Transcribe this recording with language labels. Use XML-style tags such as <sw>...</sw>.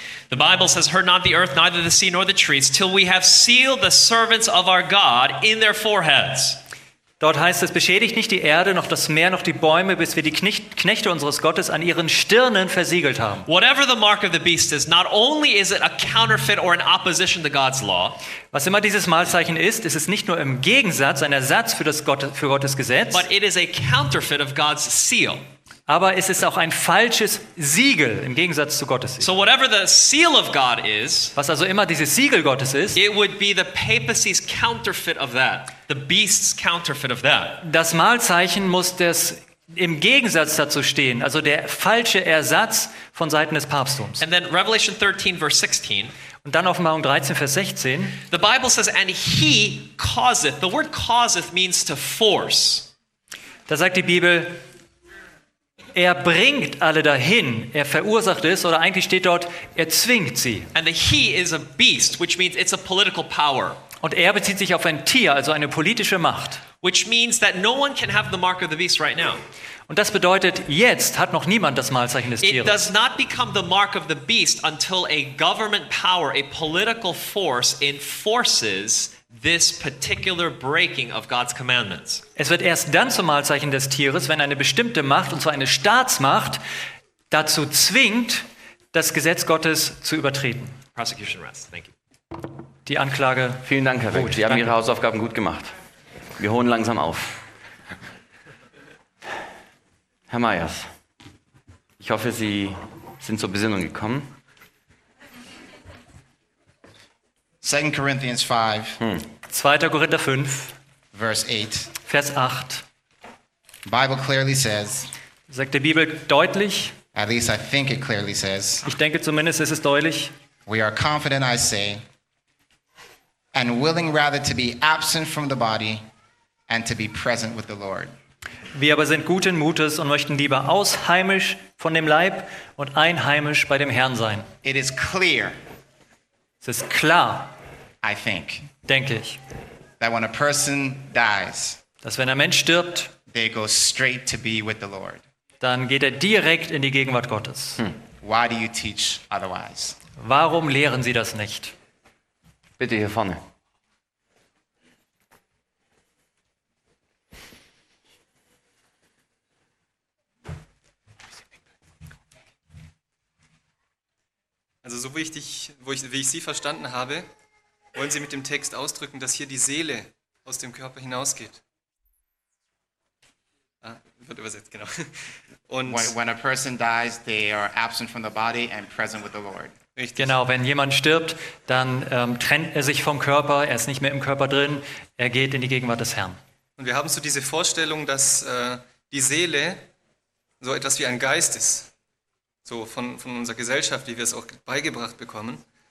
<en>The Bible says, hurt not the earth, neither the sea nor the trees, till we have sealed the servants of our God in their foreheads.</en> <de>Dort heißt es, beschädigt nicht die Erde, noch das Meer, noch die Bäume, bis wir die Knechte unseres Gottes an ihren Stirnen versiegelt haben.</de> <en>Whatever the mark of the beast is, not only is it a counterfeit or an opposition to God's law.</en> <de>Was immer dieses Mahlzeichen ist, ist es nicht nur im Gegensatz, ein Ersatz für das für Gottes Gesetz.</de> <en>But it is a counterfeit of God's seal.</en> <de>Aber es ist auch ein falsches Siegel im Gegensatz zu Gottes Siegel.</de> <en>So whatever the seal of God is,</en> <de>was also immer dieses Siegel Gottes ist,</de> <en>it would be the papacy's counterfeit of that, the beast's counterfeit of that.</en> <de>Das Mahlzeichen muss das im Gegensatz dazu stehen, also der falsche Ersatz von Seiten des Papsttums.</de> <en>And then Revelation 13 verse 16.</en> <de>Und dann Offenbarung 13 Vers 16.</de> <en>The Bible says, and he causeth. The word causeth means to force.</en> <de>Da sagt die Bibel, er bringt alle dahin, er verursacht es, oder eigentlich steht dort, er zwingt sie.</de> <en>And the he is a beast, which means it's a political power.</en> <de>Und er bezieht sich auf ein Tier, also eine politische Macht.</de> <en>Which means that no one can have the mark of the beast right now.</en> <de>Und das bedeutet, jetzt hat noch niemand das Mahlzeichen des Tieres.</de> <en>It does not become the mark of the beast until a government power, a political force enforces this particular breaking of God's commandments.</en> <de>Es wird erst dann zum Mahlzeichen des Tieres, wenn eine bestimmte Macht, und zwar eine Staatsmacht, dazu zwingt, das Gesetz Gottes zu übertreten.</de> <en>Prosecution rests. Thank you.</en> <de>Die Anklage. Vielen Dank, Herr Beck. Sie haben Ihre Hausaufgaben gut gemacht. Wir holen langsam auf. Herr Meyers, ich hoffe, Sie sind zur Besinnung gekommen.</de> <en>2. Corinthians 5.</en> <de>2. Korinther 5.</de> <en>Verse 8.</en> <de>Vers 8.</de> <en>Bible clearly says.</en> <de>Sagt die Bibel deutlich.</de> <en>At least I think it clearly says.</en> <de>Ich denke zumindest, es ist deutlich.</de> <en>We are confident, I say, and willing rather to be absent from the body and to be present with the Lord.</en> <de>Wir aber sind guten Mutes und möchten lieber ausheimisch von dem Leib und einheimisch bei dem Herrn sein.</de> <en>It is clear.</en> <de>Es ist klar,</de> <en>I think,</en> <de>denke ich,</de> <en>that when a person dies,</en> <de>dass wenn ein Mensch stirbt,</de> <en>they go straight to be with the Lord.</en> <de>Dann geht er direkt in die Gegenwart Gottes.</de> <en>Why do you teach otherwise?</en> <de>Warum lehren Sie das nicht? Bitte hier vorne. Also so wie ich Sie verstanden habe, wollen Sie mit dem Text ausdrücken, dass hier die Seele aus dem Körper hinausgeht. Wird übersetzt, genau. Und</de> <en>when a person dies, they are absent from the body and present with the Lord.</en> <de>Richtig. Genau, wenn jemand stirbt, dann trennt er sich vom Körper, er ist nicht mehr im Körper drin, er geht in die Gegenwart des Herrn. Und wir haben so diese Vorstellung, dass die Seele so etwas wie ein Geist ist. So von unserer Gesellschaft, wie wir es auch beigebracht bekommen.</de>